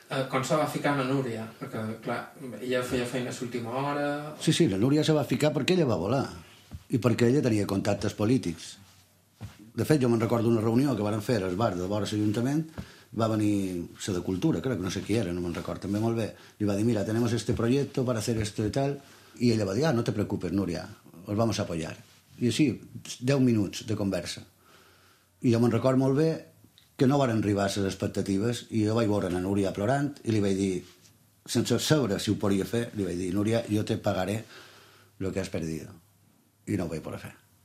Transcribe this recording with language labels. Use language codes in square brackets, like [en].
[ca] Com se va ficar la Núria? Perquè, clar, ella feia feina a l'última hora... Sí, sí, la Núria se va ficar perquè ella va volar. I perquè ella tenia contactes polítics. De fet, jo me'n recordo una reunió que varen fer al bar de vora l'Ajuntament. Va venir la de Cultura, crec, no sé qui era, no me'n recordo també molt bé. Li va dir, [es] mira, tenemos este proyecto para hacer esto y tal. [ca] I ella va dir, ah, [es] no te preocupes, Núria, os vamos a apoyar. [ca] I així, 10 minuts de conversa. I jo me'n record molt bé que no varen arribar a les expectatives i jo vaig veure la Núria plorant i li vaig dir, sense saber si ho podria fer, li vaig dir, Núria, jo te [es] pagaré lo que has perdido. [ca] I no ho vaig poder fer.